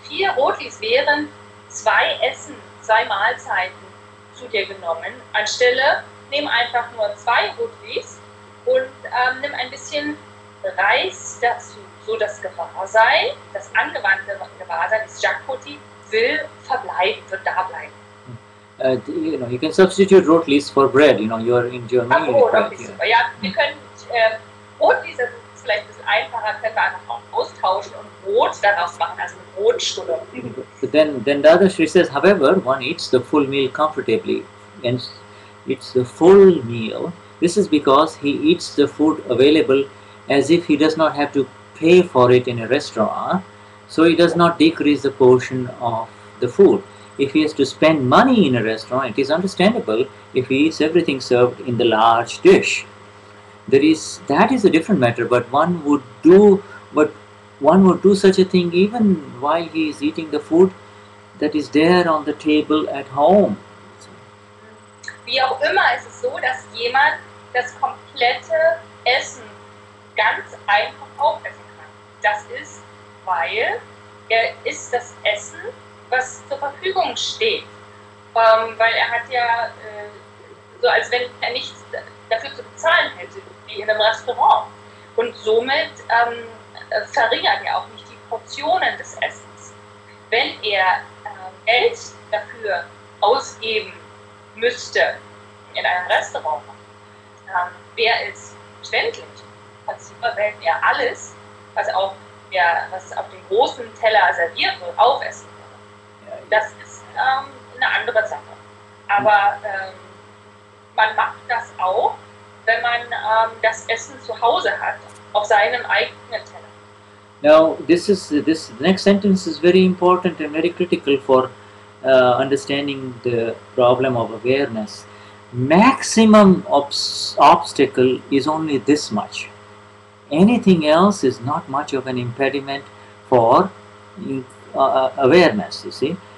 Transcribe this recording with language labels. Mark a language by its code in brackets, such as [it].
[de] Vier Rotlis wären zwei Essen, zwei Mahlzeiten zu dir genommen. Anstelle, nimm einfach nur zwei Rotlis und nimm ein bisschen Reis dazu, so das Gewahrsein, das angewandte Gewahrsein, das Jagruti, will verbleiben, wird da bleiben. [en] You can substitute rotlis for bread, you are in Germany. [de] Ach, rotlis, super. Ja, wir können rotlis, das ist vielleicht das einfacher, können wir einfach auch austauschen und Brot daraus machen, also eine Brotstulle. [en] Then Dadashri says, however, one eats the full meal comfortably. And it's the full meal. This is because he eats the food available as if he does not have to pay for it in a restaurant. So he does not decrease the portion of the food. If he has to spend money in a restaurant, it is understandable if he eats everything served in the large dish. That is a different matter, but one would do such a thing even while he is eating the food that is there on the table at home. [de] Wie auch immer, ist es so, dass jemand das komplette Essen ganz einfach aufessen kann. Das ist, weil er isst das Essen, was zur Verfügung steht. Weil er hat ja, so als wenn er nichts dafür zu bezahlen hätte, wie in einem Restaurant. Und somit verringert er auch nicht die Portionen des Essens. Wenn er Geld dafür ausgeben müsste in einem Restaurant, wäre es schwindelig. Wenn er alles, was auf dem großen Teller serviert wird, aufessen würde. Das ist eine andere Sache. Aber man macht das auch, wenn man das Essen zu Hause hat, auf seinem eigenen Teller. [en] Now, this next sentence is very important and very critical for understanding the problem of awareness. Maximum obstacle is only this much. Anything else is not much of an impediment for awareness, you see.